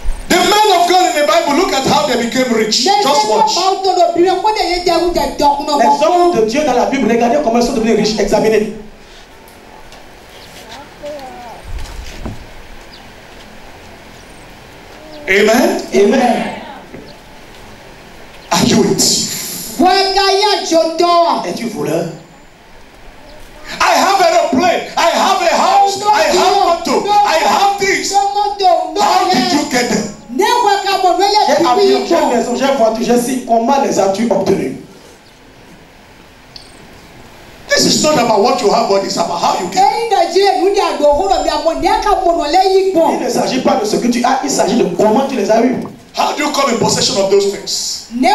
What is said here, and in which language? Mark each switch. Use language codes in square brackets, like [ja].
[en] The men of God in the Bible, look at how they became rich. Just watch. [fr] Les hommes de Dieu dans la Bible, regardez comment ils sont devenus riches. Examinez. Amen. Amen. [en] Are you it? [fr] Es-tu voleur? [en] I have a plane, I have a house, I have motto, I have things. How did you get them? [fr] J'ai comment les as-tu obtenus? [en] This is not about what you have, but it's about how you get it. [fr] Il ne s'agit pas de ce que tu as, il s'agit de comment tu les as eus. [en] How do you come in possession of those things?